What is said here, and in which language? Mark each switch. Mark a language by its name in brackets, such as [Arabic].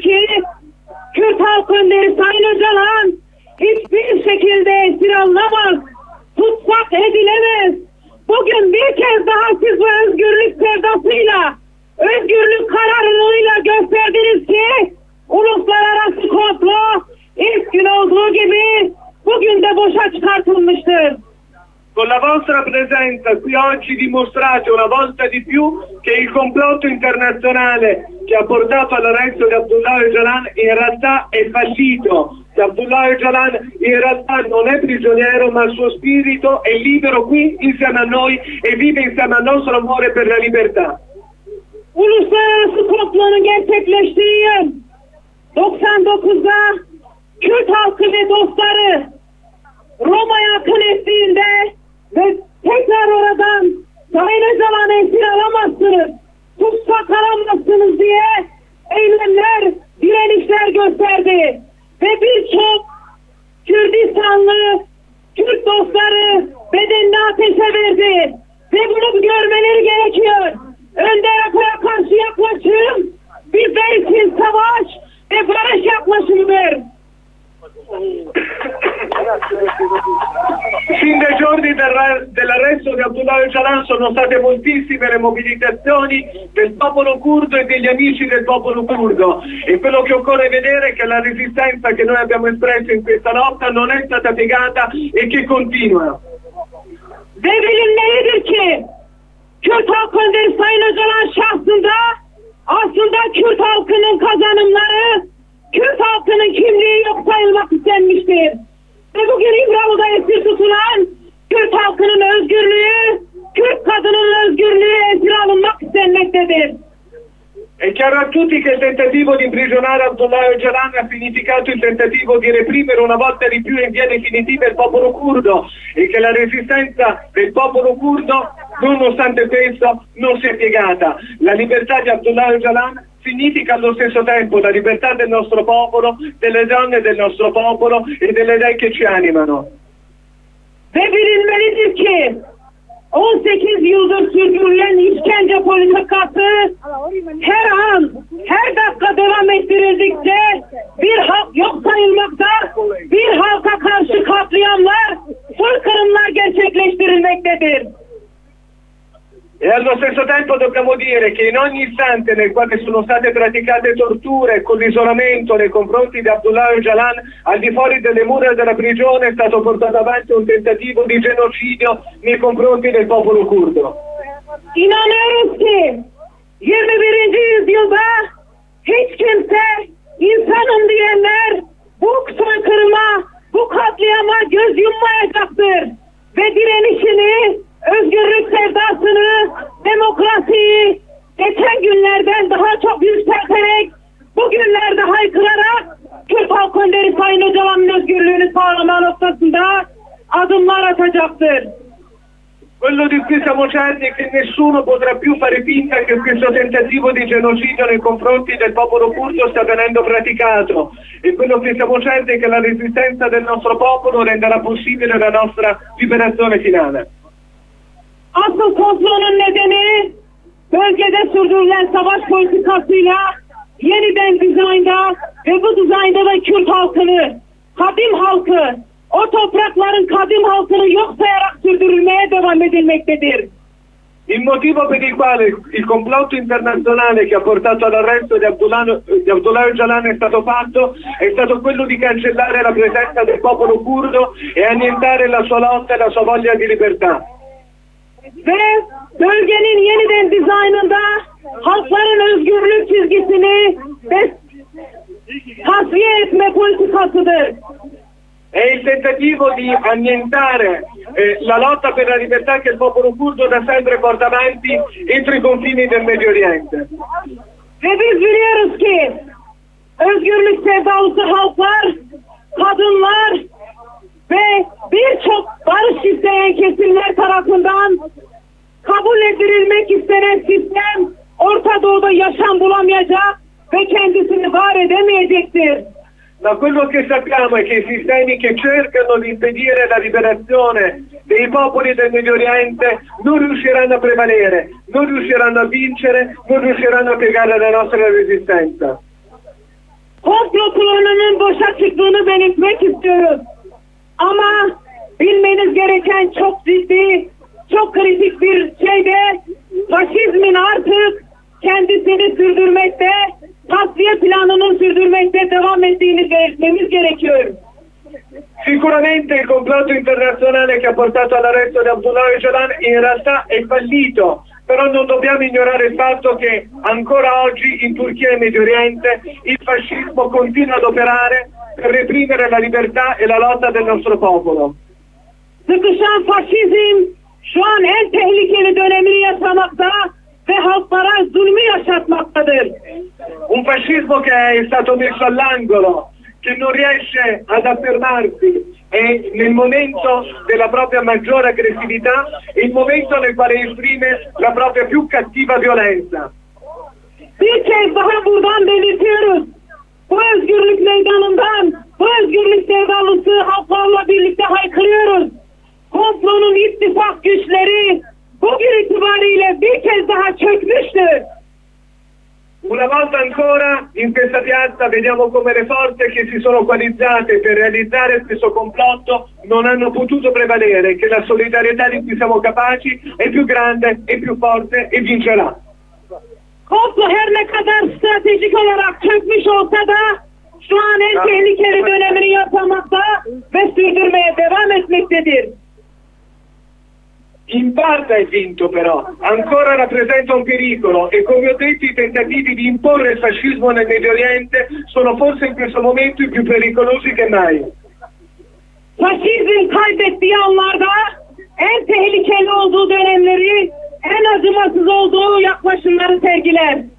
[Turkish] ki Kürt halkı önderi Sayın Öcalan hiçbir şekilde esir alınamaz, tutsak edilemez. Bugün bir kez daha siz bu özgürlük sevdasıyla, özgürlük kararlılığıyla gösterdiniz ki uluslararası komplo ilk gün olduğu gibi bugün de boşa çıkartılmıştır. [Italian] Con la vostra presenza qui oggi dimostrate una volta di più che il complotto internazionale che ha portato all'arresto di Abdullah Öcalan in realtà è fallito. Che Abdullah Öcalan in realtà non è prigioniero, ma il suo spirito è libero qui insieme a noi e vive insieme al nostro amore per la libertà. [Turkish] Uluslararası komplonun gerçekleştiği yıl 99'da Kürt halkı ve dostları Roma'ya akın ettiğinde ve tekrar oradan Sayın Öcalan'ı esir alamazsınız, tutsak alamazsınız diye eylemler, direnişler gösterdi. Ve birçok Kürdistanlı, Kürt dostları bedenini ateşe verdi. Ve bunu görmeleri gerekiyor. Önder Akın'a karşı yaklaşım bizler için savaş ve barış yaklaşımıdır. [Italian] Sin dai giorni dell'arresto di Abdullah Öcalan sono state moltissime le mobilitazioni del popolo curdo e degli amici del popolo curdo, e quello che occorre vedere è che la resistenza che noi abbiamo espresso in questa lotta non è stata piegata e che continua. [Turkish] Ve bilinmelidir ki Kürt halkının Sayın Öcalan şahsında aslında Kürt halkının kazanımları, Kürt halkının kimliği yok sayılmak istenmiştir. Ve bugün İmralı'da esir tutulan Kürt halkının özgürlüğü, Kürt kadının özgürlüğü esir alınmak istenmektedir. [Italian] È chiaro a tutti che il tentativo di imprigionare Abdullah Öcalan ha significato il tentativo di reprimere una volta di più in via definitiva il popolo curdo, e che la resistenza del popolo curdo, nonostante questo, non si è piegata. La libertà di Abdullah Öcalan significa allo stesso tempo la libertà del nostro popolo, delle donne del nostro popolo e delle idee che ci animano. [Turkish] Ve bilinmelidir ki 18 yıldır sürdürülen işkence politikası her an, her dakika devam ettirildikçe bir halk yok sayılmakta, bir halka karşı katliamlar, soykırımlar gerçekleştirilmektedir. [Italian] E allo stesso tempo dobbiamo dire che in ogni istante nel quale sono state praticate torture con l'isolamento nei confronti di Abdullah Öcalan, al di fuori delle mura della prigione è stato portato avanti un tentativo di genocidio nei confronti del popolo curdo. [Turkish] In Amerika, 21. yüzyılda hiç kimse insanım diyenler bu soykırıma, bu katliama göz yummayacaktır ve direnişini, özgürlük sevdasını, demokrasiyi geçen günlerden daha çok yükselterek, bugünlerde haykırarak Kürt halk önderi Sayın Öcalan'ın özgürlüğünü sağlama noktasında adımlar atacaktır. [Italian] Quello di cui siamo certi è che nessuno potrà più fare finta che questo tentativo di genocidio nei confronti del popolo curdo sta venendo praticato. E quello che siamo certi è che la resistenza del nostro popolo renderà possibile la nostra liberazione finale. [Turkish] Asıl komplonun nedeni bölgede sürdürülen savaş politikasıyla yeniden dizaynda ve bu dizaynda da Kürt halkını, kadim halkı, o toprakların kadim halkını yok sayarak sürdürülmeye devam edilmektedir. [Italian] Il motivo per il quale il complotto internazionale che ha portato all'arresto di Abdullah Öcalan è stato fatto è stato quello di cancellare la presenza del popolo curdo e annientare la sua lotta e la sua voglia di libertà. [Turkish] Ve bölgenin yeniden dizaynında halkların özgürlük çizgisini tasfiye etme politikasıdır. [Italian] È il tentativo di annientare la lotta per la libertà che il popolo curdo da sempre porta avanti entro i confini del Medio Oriente. [Turkish] Ve biz biliyoruz ki özgürlük sevdalısı halklar, kadınlar ve birçok barış isteyen kesimler tarafından kabul edilmek istenen sistem Orta Doğu'da yaşam bulamayacak ve kendisini var edemeyecektir. [Italian] Ma quello che sappiamo è che i sistemi che cercano di impedire la liberazione dei popoli del Medio Oriente non riusciranno a prevalere, non riusciranno a vincere, non riusciranno a piegare la nostra resistenza. [Turkish] komplo planının boşa çıktığını belirtmek istiyorum. Ama bilmeniz gereken çok ciddi, çok kritik bir şey de faşizmin artık kendisini sürdürmekte, tasfiye planını sürdürmekte devam ettiğini belirtmemiz gerekiyor. [Italian] Sicuramente il complotto internazionale che ha portato all'arresto di Abdullah Öcalan in realtà è fallito, però non dobbiamo ignorare il fatto che ancora oggi in Turchia e Medio Oriente il fascismo continua ad operare per reprimere la libertà e la lotta del nostro popolo. [Turkish] Sıkışan faşizm şu an en tehlikeli dönemini yaşamakta ve halklara zulmü yaşatmaktadır. [Italian] Un fascismo che è stato messo all'angolo, che non riesce ad affermarsi, è nel momento della propria maggiore aggressività, è il momento nel quale esprime la propria più cattiva violenza. [Turkish] Bir kez daha buradan belirtiyoruz. Bu özgürlük meydanından, bu özgürlük sevdalısı halklarla birlikte haykırıyoruz. Komplonun ittifak güçleri bugün itibariyle bir kez daha çökmüştür. [Italian] Una volta ancora in questa piazza vediamo come le forze che si sono coalizzate per realizzare questo complotto non hanno potuto prevalere, che la solidarietà di cui siamo capaci è più grande, è più forte e vincerà. [Turkish] Komplo her ne kadar stratejik olarak çökmüş olsa da şu an en tehlikeli dönemini yaşamakta ve sürdürmeye devam etmektedir. [Italian] In parte è vinto però, ancora rappresenta un pericolo e come ho detto i tentativi di imporre il fascismo nel Medio Oriente sono forse in questo momento i più pericolosi che mai. [Turkish] Fascismo kaybettiği anlarda en tehlikeli olduğu dönemleri, en acımasız olduğu yaklaşımları sergiler.